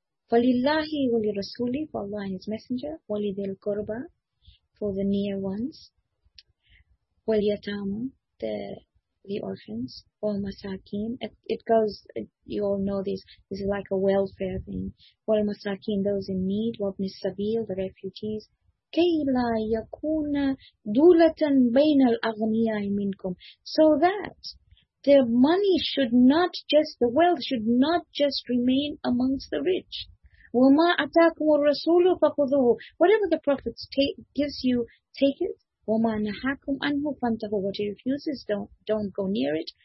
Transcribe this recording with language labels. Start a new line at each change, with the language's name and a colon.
Arabic: Falillahi wali rasuli,
English: for Allah and His Messenger,
Arabic: wali dil qurba,
English: for the near ones,
Arabic: wali yatama,
English: the orphans, or masakin. It goes, you all know this, this is like a welfare thing. Or masakin, those in need, or ibn sabil, the refugees,
Arabic: كي لا يكون دولة بين الأغنياء منكم.
English: So that the money should not just, the wealth should not just remain amongst the rich.
Arabic: وَمَا أَتَاكُمُ الرَّسُولُ فَقُذُوهُ.
English: Whatever the Prophet gives you, take it.
Arabic: وَمَا نَحَاكُمْ عَنْهُ فَانْتَهُ.
English: What he refuses, don't go near it.